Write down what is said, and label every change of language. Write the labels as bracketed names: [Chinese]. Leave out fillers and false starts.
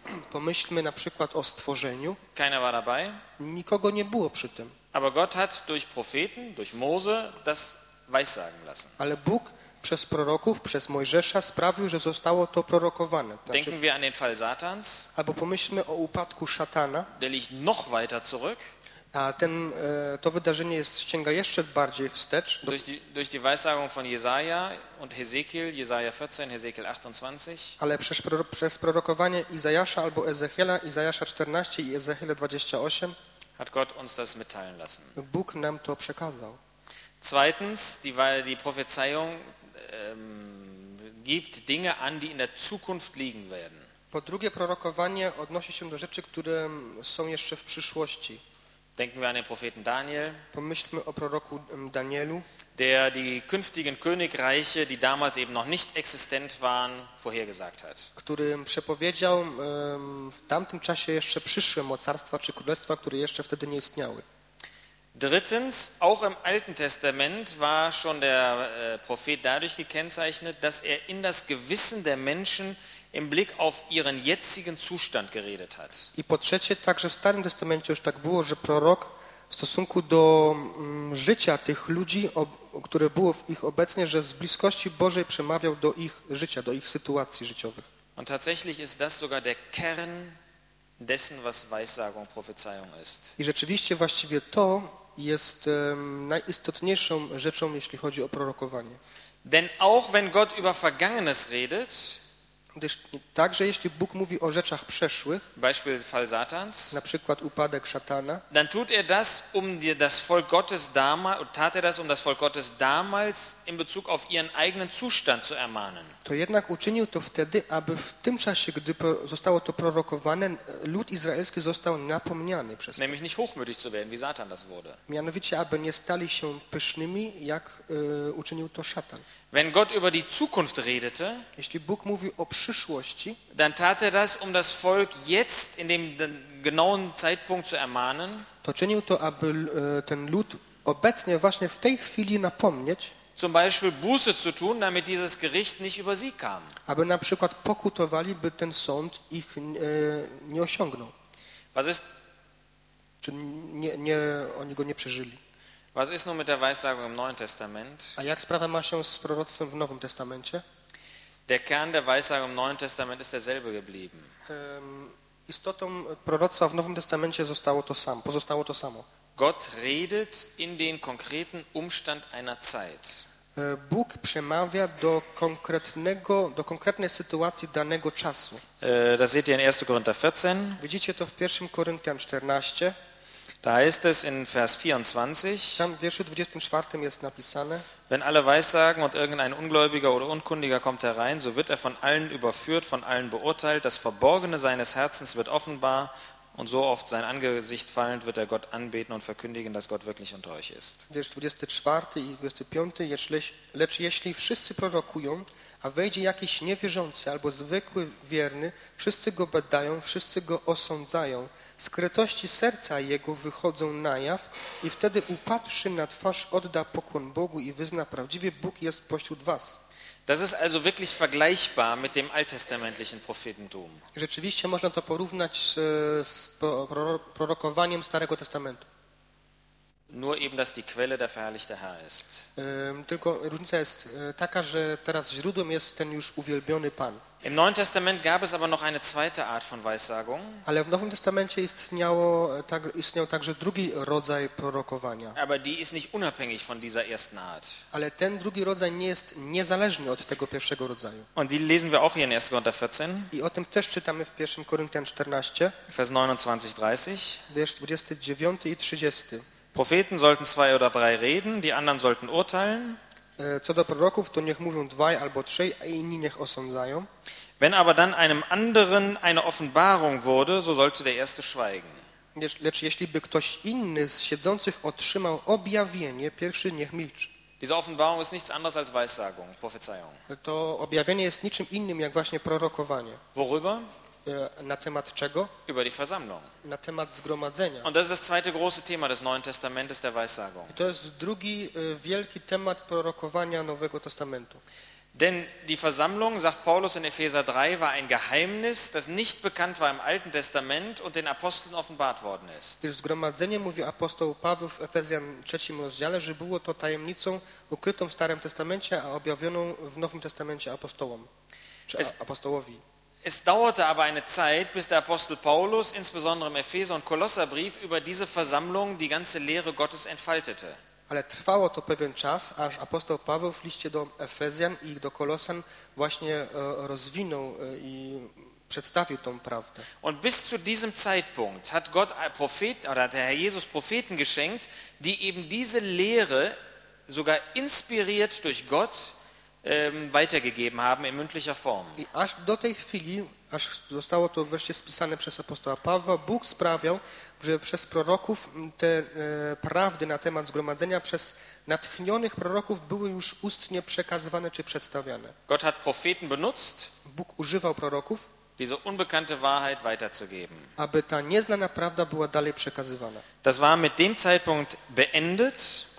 [Polish] Pomyślmy na przykład o stworzeniu. [German] Keiner war dabei. [Polish] Nikogo nie było przy tym. [German] Aber Gott hat durch Propheten, durch Mose das weissagen lassen. [Polish] Ale Bóg przez proroków, przez Mojżesza sprawił, że zostało to prorokowane. Znaczy, [German] denken wir an den Fall Satans. [Polish] Albo pomyślmy o upadku szatana. [German] Der liegt noch weiter zurück. [Polish] A ten, to wydarzenie jest, sięga jeszcze bardziej wstecz. [German] Durch die Weissagung von Jesaja und Hezekiel, Jesaja 14, Hezekiel 28. [Polish] Ale przez prorokowanie Izajasza albo Ezechiela, Izajasza 14 i Ezechiela 28. [German] Hat Gott uns das mitteilen lassen. [Polish] Bóg nam to przekazał. [German] Zweitens, die Prophezeiung gibt Dinge an, die in der Zukunft liegen werden. [Polish] Po drugie, prorokowanie odnosi się do rzeczy, które są jeszcze w przyszłości. [German] Denken wir an den Propheten Daniel. [Polish] Pomyślmy o proroku Danielu, [German] der die künftigen Königreiche, die damals eben noch nicht existent waren, vorhergesagt hat. [Polish] Który przepowiedział w tamtym czasie jeszcze przyszłe mocarstwa czy królestwa, które jeszcze wtedy nie istniały. [German] Drittens, auch im Alten Testament war schon der Prophet dadurch gekennzeichnet, dass er in das Gewissen der Menschen im Blick auf ihren jetzigen Zustand geredet hat. [Polish] I po trzecie, także w Starym Testamencie już tak było, że prorok w stosunku do życia tych ludzi, które było w ich obecnie, że z bliskości Bożej przemawiał do ich życia, do ich sytuacji życiowych. [German] Und tatsächlich ist das sogar der Kern dessen, was Weissagung, Prophezeiung ist. [Polish] I rzeczywiście właściwie to jest najistotniejszą rzeczą, jeśli chodzi o prorokowanie. [German] Denn auch wenn Gott über Vergangenes redet, [Polish] gdyż także jeśli Bóg mówi o rzeczach przeszłych, [German] Beispiel Fall Satans, [Polish] na przykład upadek szatana, [German] dann tut er das, um dir das Volk Gottes damals, tat er das, um das Volk Gottes damals in Bezug auf ihren eigenen Zustand zu ermahnen. [Polish] To jednak uczynił to wtedy, aby w tym czasie, gdy zostało to prorokowane, lud izraelski został napomniany przez to. [German] Nämlich nicht hochmütig zu werden, wie Satan das wurde. [Polish] Mianowicie, aby nie stali się pysznymi, jak uczynił to szatan. [German] Wenn Gott über die Zukunft redete, [Polish] jeśli Bóg mówił o przyszłości, [German] dann tat er das, um das Volk jetzt in dem genauen Zeitpunkt zu ermahnen. [Polish] To czynił to, aby ten lud obecnie właśnie w tej chwili napomnieć, [German] zum Beispiel Buße zu tun, damit dieses Gericht nicht über sie kam. [Polish] Aby na przykład pokutowali, by ten sąd ich nie osiągnął. [German] Was ist, [Polish] czy nie oni go nie przeżyli? [German] Was ist nun mit der Weissagung im Neuen Testament? [Polish] A jak sprawa ma się z proroctwem w Nowym Testamencie? [German] Der Kern der Weissagung im Neuen Testament ist derselbe geblieben. [Polish] Istotą proroctwa w Nowym Testamencie zostało to samo, pozostało to samo. [German] Gott redet in den konkreten Umstand einer Zeit. [Polish] Bóg przemawia do konkretnej sytuacji danego czasu. [German] Das seht ihr in 1. Korinther 14. [Polish] Widzicie to w 1. Korinthian 14. [German] Da heißt es in Vers 24. [Polish] Tam w wierszu 24 jest napisane. [German] Wenn alle weissagen und irgendein Ungläubiger oder Unkundiger kommt herein, so wird er von allen überführt, von allen beurteilt. Das Verborgene seines Herzens wird offenbar und so oft sein Angesicht fallend wird er Gott anbeten und verkündigen, dass Gott wirklich unter euch ist. [Polish] Wiersz 24 i 25. Lecz jeśli wszyscy prorokują, a wejdzie jakiś niewierzący albo zwykły wierny, wszyscy go badają, wszyscy go osądzają. Skrytości serca jego wychodzą na jaw i wtedy upadłszy na twarz odda pokłon Bogu i wyzna prawdziwie Bóg jest pośród was. [German] Das ist also wirklich vergleichbar mit dem alttestamentlichen Prophetentum. [Polish] Rzeczywiście można to porównać z prorokowaniem Starego Testamentu. [German] Nur eben, dass die Quelle der verherrlichte Herr ist. [Polish] Tylko różnica jest taka, że teraz źródłem jest ten już uwielbiony Pan. [German] Im Neuen Testament gab es aber noch eine zweite Art von Weissagung. [Polish] Ale w Nowym Testamencie istniał także drugi rodzaj prorokowania. [German] Aber die ist nicht unabhängig von dieser ersten Art. [Polish] Ale ten drugi rodzaj nie jest niezależny od tego pierwszego rodzaju. [German] Und die lesen wir auch hier in 1. Korinther 14. [Polish] I o tym też czytamy w 1. Koryntian 14. [German] Vers 29-30. [Polish] Wiersz 29 i 30. [German] Propheten sollten zwei oder drei reden, die anderen sollten urteilen. [Polish] Co do proroków, to niech mówią dwaj albo trzej, a inni niech osądzają. [German] Wenn aber dann einem anderen eine Offenbarung wurde, so sollte der erste schweigen. [Polish] Lecz jeśli by ktoś inny z siedzących otrzymał objawienie, pierwszy niech milczy. [German] Diese Offenbarung ist nichts anderes als Weissagung, Prophezeiung. [Polish] To objawienie jest niczym innym jak właśnie prorokowanie. [German] Worüber? [Polish] Na temat czego? [German] Über die Versammlung. [Polish] Na temat zgromadzenia. [German] Und das ist das zweite große Thema des Neuen Testamentes, der Weissagung. [Polish] I to jest drugi wielki temat prorokowania Nowego Testamentu. [German] Denn die Versammlung, sagt Paulus in Epheser 3, war ein Geheimnis, das nicht bekannt war im Alten Testament und den Aposteln offenbart worden ist. [Polish] Gdyż zgromadzenie, mówi apostoł Paweł w Efezjan 3 rozdziale, że było to tajemnicą ukrytą w Starym Testamencie, a objawioną w Nowym Testamencie apostołom, czy apostołowi. [German] Es dauerte aber eine Zeit, bis der Apostel Paulus, insbesondere im Epheser- und Kolosserbrief, über diese Versammlung die ganze Lehre Gottes entfaltete. [Polish] Ale trwało to pewien czas, aż apostoł Paweł w liście do Efezjan i do Kolosan właśnie rozwinął i przedstawił tą prawdę. [German] Und bis zu diesem Zeitpunkt hat Gott Propheten oder hat der Herr Jesus Propheten geschenkt, die eben diese Lehre sogar inspiriert durch Gott weitergegeben haben in mündlicher Form. [Polish] I aż do tej chwili, aż zostało to wreszcie spisane przez apostoła Pawła, Bóg sprawiał, że przez proroków te prawdy na temat zgromadzenia przez natchnionych proroków były już ustnie przekazywane czy przedstawiane. [German] Gott hat Propheten benutzt, [Polish] Bóg używał proroków, [German] diese unbekannte Wahrheit weiterzugeben. [Polish] Aby ta nieznana prawda była dalej przekazywana. [German] Das war mit dem Zeitpunkt beendet,